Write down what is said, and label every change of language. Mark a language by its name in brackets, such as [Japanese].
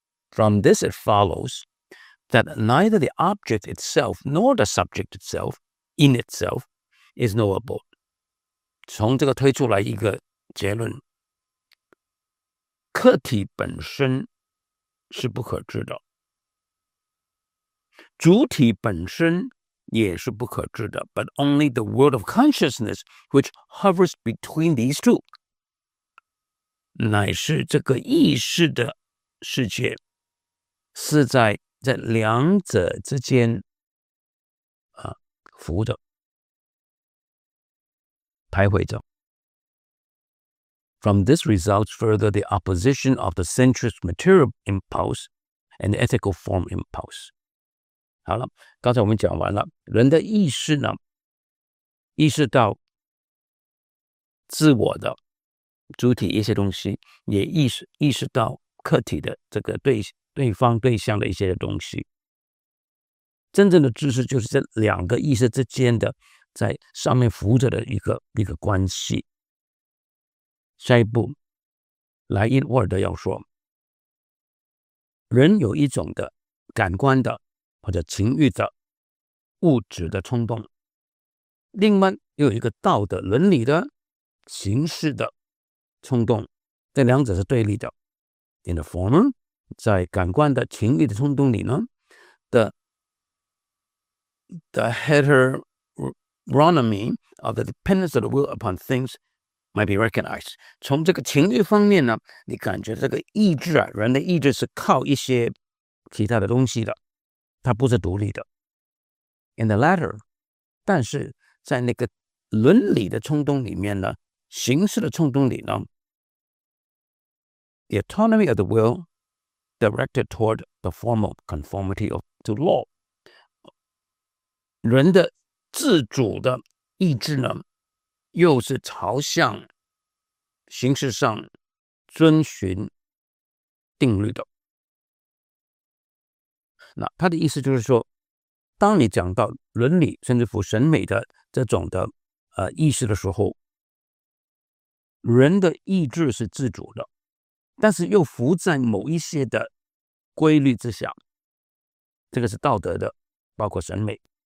[English] From this it followsThat neither the object itself nor the subject itself, in itself, is knowable. [Chinese] 从这个推出来一个结论，客体本身是不可知的，主体本身也是不可知的。 [English] But only the world of consciousness, which hovers between these two, [Chinese] 乃是这个意识的世界，是在两者之间浮着徘徊着。 [English] From this results further the opposition of the sensuous material impulse and the ethical form impulse. [Chinese] 好了，刚才我们讲完了，人的意识呢，意识到自我的主体一些东西，也意识到客体的这个对方对象的一些东西。真正的知识就是这两个意识之间的在上面浮着的一个关系。下一步莱因沃尔德要说，人有一种的感官的或者情欲的物质的冲动，另外又有一个道德伦理的形式的冲动，这两者是对立的。 [English] In the former, [Chinese] 在感官的情欲的冲动里呢 [English] the heteronomy of the dependence of the will upon things might be recognized. [Chinese] 从这个情欲方面呢，你感觉这个意志啊，人的意志是靠一些其他的东西的，它不是独立的。 [English] In the latter, [Chinese] 但是在那个伦理的冲动里面呢，形式的冲动里呢， [English] the autonomy of the willdirected toward the formal conformity to law. [Chinese] 人的自主的意志呢，又是朝向形式上遵循定律的。那他的意思就是说，当你讲到伦理甚至乎审美的这种的意识的时候，人的意志是自主的，但是又浮在某一些的规律之下，这个是道德的，包括审美。